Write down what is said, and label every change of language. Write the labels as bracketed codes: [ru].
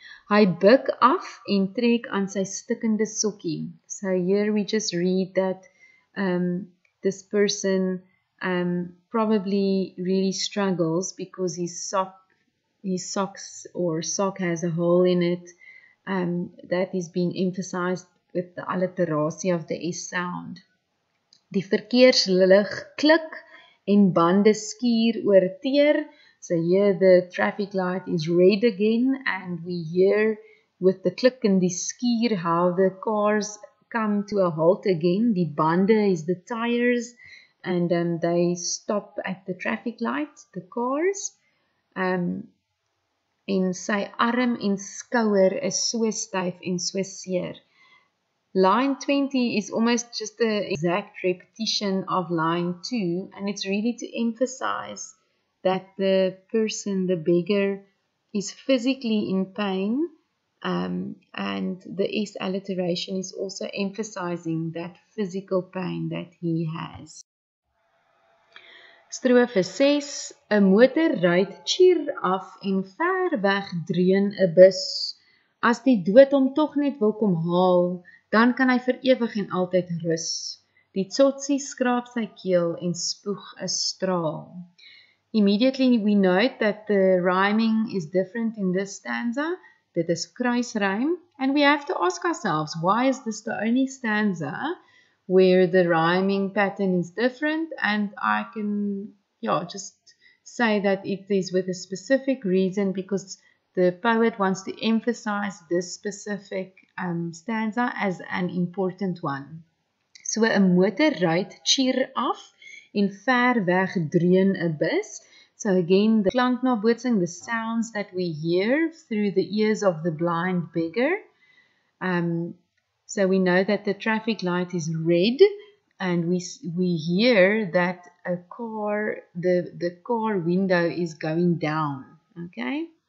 [af] Hy buk af en trek aan sy stikkende sokkie. [en] So here we just read that this person probably really struggles because his sock has a hole in it. That is being emphasized with the alliteration of the S sound. [af] Die verkeerslig klik en bande skuur oor teer. [en] So here the traffic light is red again, and we hear with the klik and the skuur how the cars come to a halt again. Die bande is the tires, and they stop at the traffic light, the cars. [af] En sy arm en skouer is so styf en so seer. [en] Line 20 is almost just the exact repetition of line 2, and it's really to emphasize that the person, the beggar, is physically in pain, And the S alliteration is also emphasizing that physical pain that he has. [af] Strofe 6, 'n motor ryd tjier af en ver weg dreun 'n bus. As die dood hom tog net wil kom haal, dan kan hy vir ewig en altyd rus. Die tsotsie skraap sy keel en spoeg 'n straal. [en] Immediately we note that the rhyming is different in this stanza. [af] Dit is kruisrym, [en] and we have to ask ourselves, why is this the only stanza where the rhyming pattern is different? And I can just say that it is with a specific reason, because the poet wants to emphasize this specific stanza as an important one. [af] So 'n motor ryd tjier af en ver weg dreun 'n bus. [en] So again, the klanknabootsing, the sounds that we hear through the ears of the blind beggar. So we know that the traffic light is red, and we hear that a car, the car window is going down, okay?